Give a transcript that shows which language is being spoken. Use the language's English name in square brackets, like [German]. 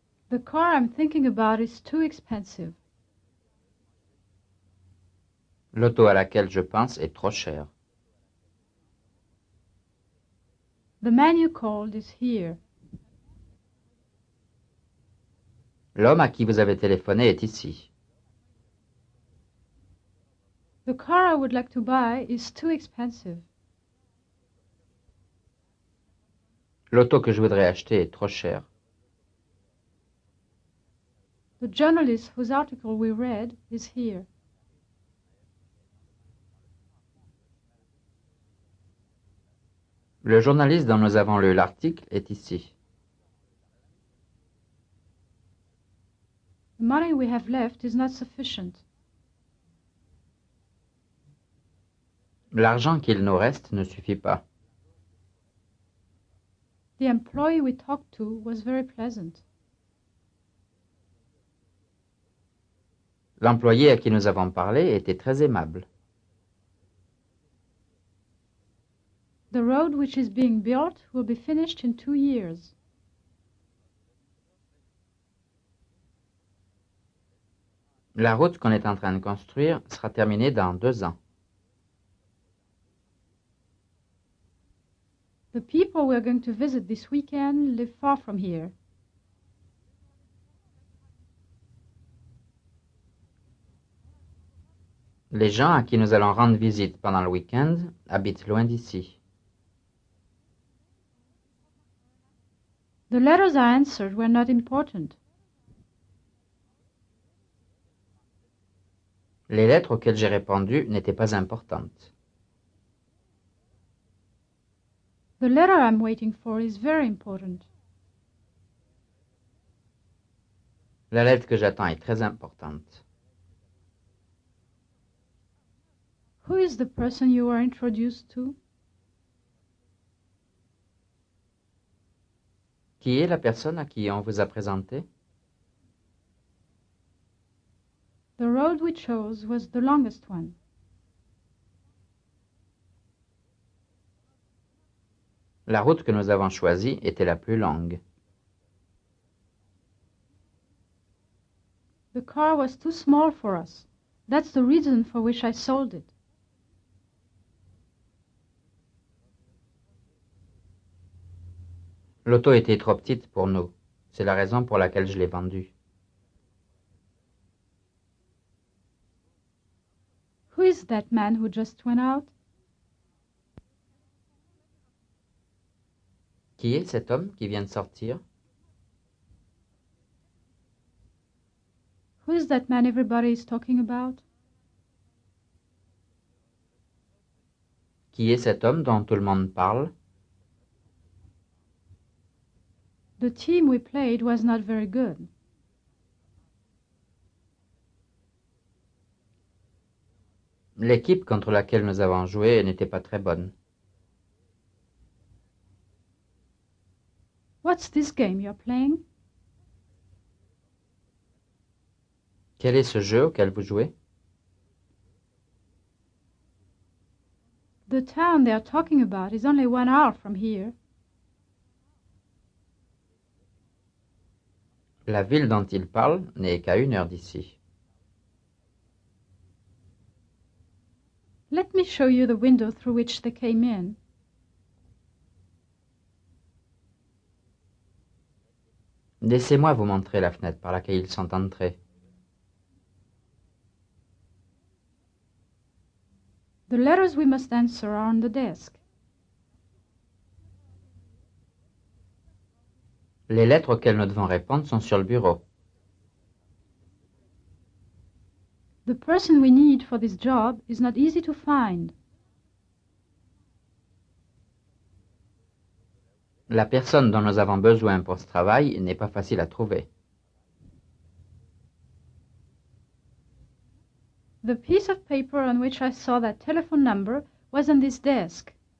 [English] The car I'm thinking about is too expensive. [French] L'auto à laquelle je pense est trop chère. [English] The man you called is here. [French] L'homme à qui vous avez téléphoné est ici. [English] The car I would like to buy is too expensive. [French] L'auto que je voudrais acheter est trop chère. [English] The journalist whose article we read is here. [French] Le journaliste dont nous avons lu l'article est ici. [English] The money we have left is not sufficient. [French] L'argent qu'il nous reste ne suffit pas. [English] The employee we talked to was very pleasant. [French] L'employé à qui nous avons parlé était très aimable. [English] The road which is being built will be finished in 2 years. [French] La route qu'on est en train de construire sera terminée dans 2 ans. [English] The people we are going to visit this weekend live far from here. [French] Les gens à qui nous allons rendre visite pendant le week-end habitent loin d'ici. [English] The letters I answered were not important. [French] Les lettres auxquelles j'ai répondu n'étaient pas importantes. [English] The letter I'm waiting for is very important. [French] La lettre que j'attends est très importante. [English] Who is the person you were introduced to? [French] Qui est la personne à qui on vous a présenté? [English] The road we chose was the longest one. [French] La route que nous avons choisie était la plus longue. [English] The car was too small for us. That's the reason for which I sold it. [French] L'auto était trop petite pour nous. C'est la raison pour laquelle je l'ai vendue. [English] Who is that man who just went out? [French] Qui est cet homme qui vient de sortir? [English] Who is that man everybody is talking about? [French] Qui est cet homme dont tout le monde parle? [English] The team we played was not very good. [French] L'équipe contre laquelle nous avons joué n'était pas très bonne. [English] What's this game you're playing? [French] Quel est ce jeu auquel vous jouez? [English] The town they are talking about is only 1 hour from here. [French] La ville dont ils parlent n'est qu'à 1 heure d'ici. [English] Let me show you the window through which they came in. [French] Laissez-moi vous montrer la fenêtre par laquelle ils sont entrés. [English] The letters we must answer are on the desk. [French] Les lettres auxquelles nous devons répondre sont sur le bureau. [English] The person we need for this job is not easy to find. [French] La personne dont nous avons besoin pour ce travail n'est pas facile à trouver. [English] The piece of paper on which I saw that telephone number was on this desk.